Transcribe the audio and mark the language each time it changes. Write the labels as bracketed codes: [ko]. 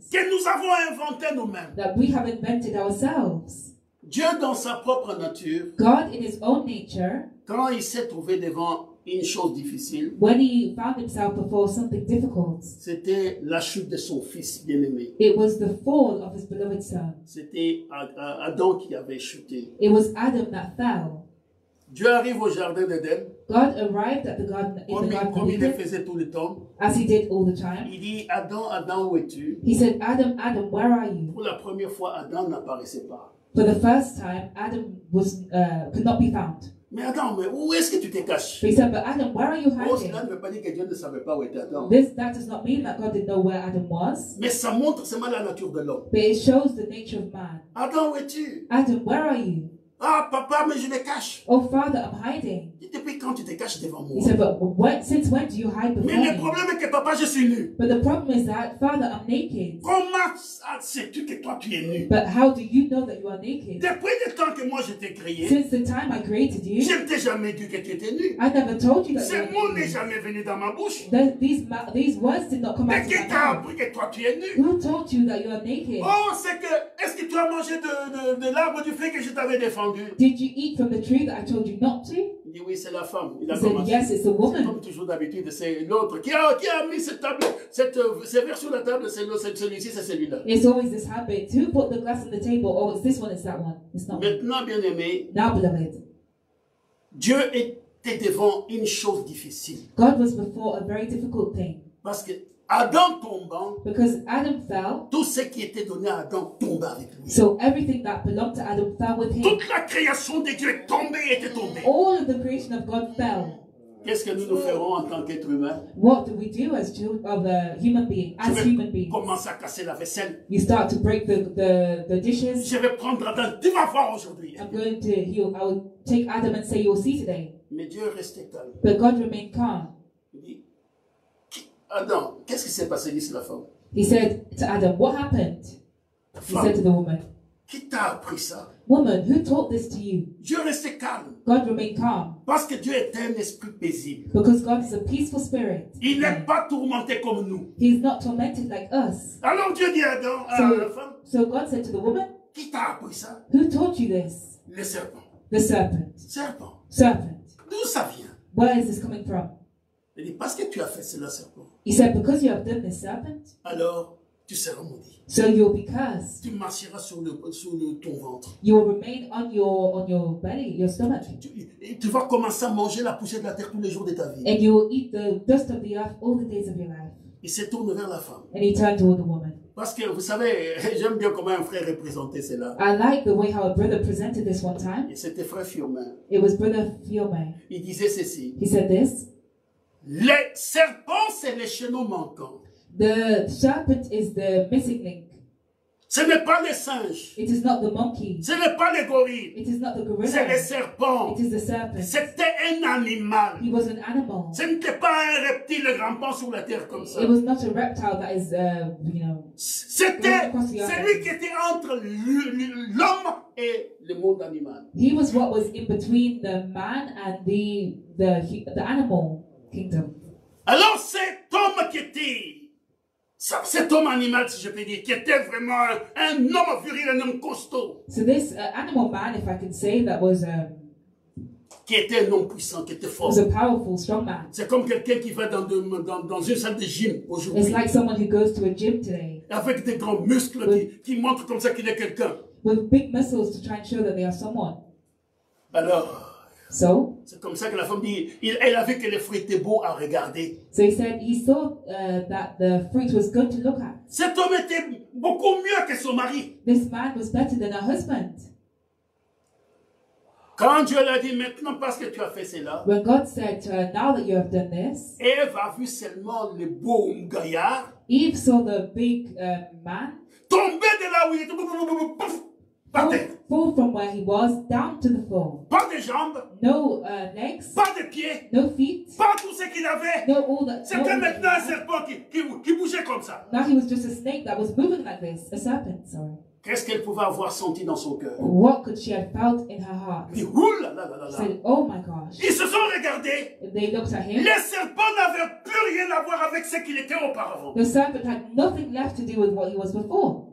[fr] que nous avons inventées nous-mêmes. [en] That we have invented ourselves. [fr] Dieu dans sa propre nature. [en] God in his own nature. [fr] Quand il s'est trouvé devant une chose difficile. [en] When he found himself before something difficult. [fr] C'était la chute de son fils bien-aimé. [en] It was the fall of his beloved son. [fr] C'était Adam qui avait chuté. [en] It was Adam that fell. [fr] Dieu arrive au jardin d'Eden. [en] God arrived at the garden in [fr] comme [en] the garden. [fr] Comme il le faisait tout le temps. [en] As he did all the time. [fr] Il dit Adam, Adam où es-tu? [en] He said Adam, Adam where are you? [fr] Pour la première fois Adam n'apparaissait pas. [en] For the first time Adam was could not be found. [fr] Mais Adam, mais où est-ce que tu te caches? [en] He said but Adam where are you hiding? [fr] Oh, cela ne veut pas dire que Dieu ne savait pas où était Adam. [en] This that does not mean that God didn't know where Adam was. [fr] Mais ça montre seulement la nature de l'homme. [en] But it shows the nature of man. [fr] Adam où es-tu? [en] Adam where are you? [fr] Ah, papa, mais je me cache. [en] Oh, father, I'm hiding. [fr] Depuis quand tu te caches devant moi? [en] He said, but what, since when do you hide before me? [fr] Mais le problème est que papa, je suis nu. [en] But the problem is that, father, I'm naked. [fr] Comment sais-tu que toi, tu es nu? [en] But how do you know that you are naked? [fr] Depuis le temps que moi, je t'ai créé. [en] Since the time I created you. [fr] Je ne t'ai jamais dit que tu étais nu. [en] I never told you that [fr] ce mot n'est jamais venu dans ma bouche. [en] These words did not come [fr] mais [en] out of my mouth. [fr] Mais qui t'a appris que toi, tu es nu? [en] Who told you that you are naked? [fr] Oh, c'est que, est-ce que tu as mangé de l'arbre du fait que je t'avais défendu? [en] Did you eat from the tree that I told you not to? [fr] Il dit oui, c'est la femme. Il [en] a said, yes, it's the woman. [fr] C'est comme toujours d'habitude, c'est l'autre. Qui a mis cette table, ces verres sur la table, c'est celui-ci, c'est celui-là. [en] It's always this habit. Who put the glass on the table? Oh, it's this one, it's that one. It's not. [fr] Maintenant, bien-aimé. [en] Now, beloved. [fr] Dieu était devant une chose difficile. [en] God was before a very difficult thing. [fr] Parce que Adam tombant, [en] because Adam fell, [fr] tout ce qui était donné à Adam tomba avec lui. [en] So everything that belonged to Adam fell with him. [fr] Toute la création de Dieu est tombée, était tombée. [en] All of the creation of God fell. [fr] Qu'est-ce que nous ferons en tant qu'être humain? [en] What do we do as human beings? As human beings, [fr] commence à casser la vaisselle. [en] You start to break the dishes. [fr] Je vais prendre Adam, tu vas voir aujourd'hui. [en] I'm going to heal. I will take Adam and say, you'll see today. [fr] Mais Dieu restait calme. [en] But God remained calm. [fr] Adam, qu'est-ce qui s'est passé, dit la femme? [en] He said to Adam, what happened? [fr] Femme, [en] he said to the woman. [fr] Qui t'a appris ça? [en] Woman, who taught this to you? [fr] Dieu restait calme. [en] God remained calm. [fr] Parce que Dieu est un esprit paisible. [en] Because God is a peaceful spirit. [fr] Il n'est pas tourmenté comme nous. [en] He is not tormented like us. [fr] Alors Dieu dit à Adam, à la femme. [en] So God said to the woman. [fr] Qui t'a appris ça? [en] Who taught you this? [fr] Le serpent. [en] The serpent. [fr] Serpent. [en] Serpent. [fr] D'où ça vient? [en] Where is this coming from? [fr] Il dit, parce que tu as fait cela, serpent. [en] He said, because you have done this, serpent. [fr] Alors, tu seras maudit. [en] So you'll be cursed. [fr] Tu marcheras sur ton ventre. [en] You will remain on your belly, your stomach. [fr] Tu vas commencer à manger la poussière de la terre tous les jours de ta vie. [en] And you will eat the dust of the earth all the days of your life. [fr] Il se tourne vers la femme. [en] And he turned toward the woman. [fr] Parce que, vous savez, j'aime bien comment un frère représentait cela. [en] I like the way how a brother presented this one time. [fr] Et c'était frère Firmin. [en] It was brother Firmin. [fr] Il disait ceci. [en] He said this. [fr] Le serpent, c'est le chaînon manquant. [en] The serpent is the missing link. [fr] Ce n'est pas le singe. [en] It is not the monkey. [fr] Ce n'est pas le gorille. [en] It is not the gorilla. [fr] C'est le serpent. [en] It is the serpent. [fr] C'était un animal. [en] He was an animal. [fr] Ce n'était pas un reptile rampant sur la terre comme ça. [en] It was not a reptile that is, [fr] c'était celui qui était entre l'homme et le monde animal. [en] He was what was in between the man and the animal. Kingdom. [fr] Alors cet homme qui était, cet homme animal si je peux dire, qui était vraiment un homme viril, un homme costaud. [en] So this animal man, if I could say, that was a... [fr] Qui était un homme puissant, qui était fort. [en] Was a powerful, strong man. [fr] C'est comme quelqu'un qui va dans une salle de gym aujourd'hui. [en] It's like someone who goes to a gym today. [fr] Avec des grands muscles qui montrent comme ça qu'il est quelqu'un. [en] with big muscles to try and show that they are someone. [fr] Alors, [en] so, [fr] c'est comme ça que la femme dit, elle a vu que le fruit était beau à regarder. [en] So he said he saw that the fruit was good to look at. [fr] Cet homme était beaucoup mieux que son mari. [en] This man was better than her husband. [fr] Quand Dieu l'a dit maintenant parce que tu as fait cela. [en] When God said to her, now that you have done this. [fr] Eve a vu seulement le beau gaillard. [en] Eve saw the big man. [fr] Tomber de là où il était. [en] Fall from where he was down to the floor. [fr] Pas de jambes. [en] No legs. [fr] Pas de pieds. [en] No feet. [fr] Pas tout ce qu'il avait. [en] No all that. [fr] C'était maintenant un serpent qui bougeait comme ça. [en] Now he was just a snake that was moving like this. A serpent, sorry. [fr] Qu'est-ce qu'elle pouvait avoir senti dans son cœur? [en] What could she have felt in her heart? Said, oh my gosh. [fr] Ils se sont regardés. [en] They looked at him. [fr] Le serpent n'avait plus rien à voir avec ce qu'il était auparavant. [en] The serpent had nothing left to do with what he was before.